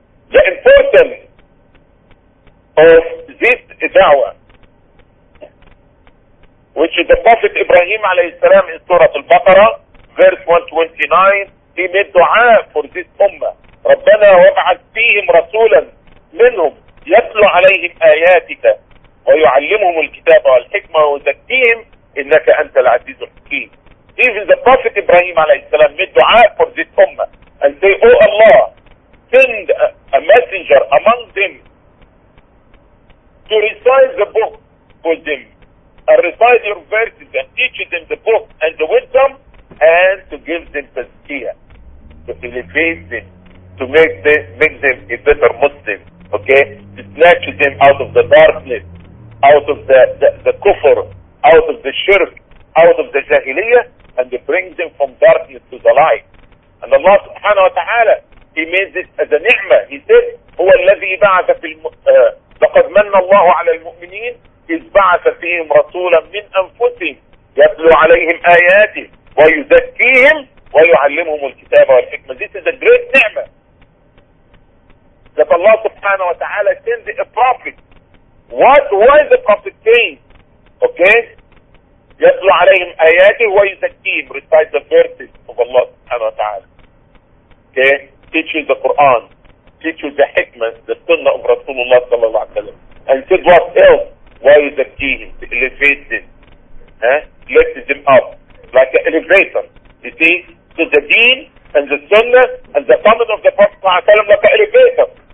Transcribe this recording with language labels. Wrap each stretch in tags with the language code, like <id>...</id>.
<en>The importance of this da'wah, which is the Prophet Ibrahim alayhi salam in Surah Al-Baqarah, verse 129, he made dua for this ummah.</en> <ar>رَبَّنَا وَبْعَثْ فِيهِمْ رَسُولًا مِنْهُمْ يَتْلُ عَلَيْهِمْ آيَاتِكَ ويعلمهم الكتاب والحكمة وزكيهم إنك أنت العزيز الحكيم.</ar> <en>Even the Prophet Ibrahim عليه السلام made dua for this ummah and say, O Allah, send a messenger among them to recite the book for them and recite your verses and teach them the book and the wisdom and to give them tazkiyah, to elevate them, to make them a better Muslim, okay? To snatch them out of the darkness, out of the kufr, out of the shirk, out of the jahiliyyah, and they bring them from darkness to the light. And Allah subhanahu wa ta'ala, he made this as a ni'mah. He said,</en> <ar>هو الذي بعث في الم... لقد من الله على المؤمنين إذ بعث فيهم رسولا من أنفسهم يتلو عليهم آياته ويزكيهم ويعلمهم الكتاب والحكمة.</ar> <en>This is a great نعمة that Allah سبحانه وتعالى sends a prophet. What was the prophet saying? Okay?</en> <ar>يتلو عليهم آياته ويزكيهم,</ar> <en>recite the verses of Allah سبحانه وتعالى. Okay? Teaches the Quran, teaches the hikmah, the sunnah of Rasulullah صلى الله عليه وسلم. And said what else?</en> <ar>ويزكيهم,</ar> <en>to elevate them. Lift them up like an elevator. You see, to the deen and the sunnah and the coming of the Prophet like an elevator.</en>